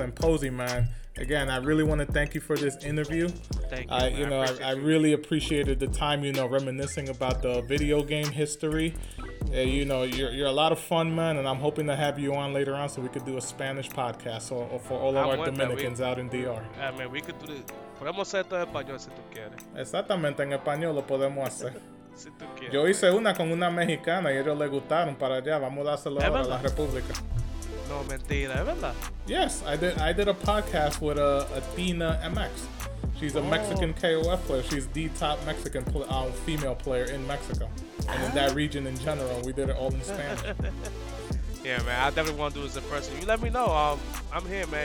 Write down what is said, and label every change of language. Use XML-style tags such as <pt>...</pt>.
<en>And Posey, man, again, I really want to thank you for this interview. Thank you. I really appreciated the time, reminiscing about the video game history. You're a lot of fun, man, and I'm hoping to have you on later on so we could do a Spanish podcast for all of our Dominicans out in DR. Man, we could do this.</en> <es>Podemos hacer todo español si tú quieres. Exactamente, en español lo podemos hacer. Si tú quieres, yo hice una con una mexicana y ellos le gustaron para allá. Vamos a dárselo ahora a la República. No, mentira, es verdad.</es> <en>Yes, I did a podcast with Athena MX. She's a Mexican KOF player. She's the top Mexican female player in Mexico and in that region in general. We did it all in Spanish. Yeah, man, I definitely want to do it in person. You let me know. I'm here, man.</en>